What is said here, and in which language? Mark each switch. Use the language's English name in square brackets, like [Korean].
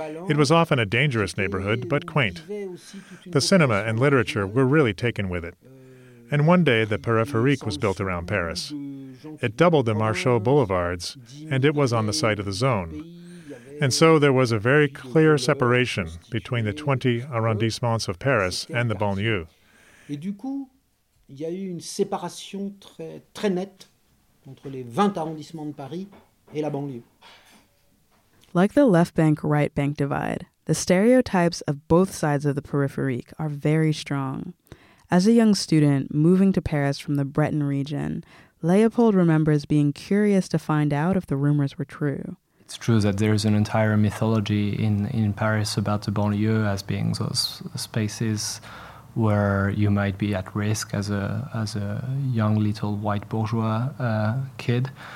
[English] It was often a dangerous neighborhood, but quaint. The cinema and literature were really taken with it. And one day the Périphérique was built around Paris. It doubled the Marchaux boulevards, and it was on the site of the zone. And so there was a very clear separation between the 20 arrondissements of Paris and the banlieue. [French] il y a eu une séparation très, très nette entre les 20 arrondissements de Paris et la banlieue. [English] Like the left bank, right bank divide, the stereotypes of both sides of the periphery are very strong. As a young student moving to Paris from the Breton region, Leopold remembers being curious to find out if the rumors were true. It's true that there is an entire mythology in Paris about the banlieue as being those spaces where you might be at risk as a young little white bourgeois kid.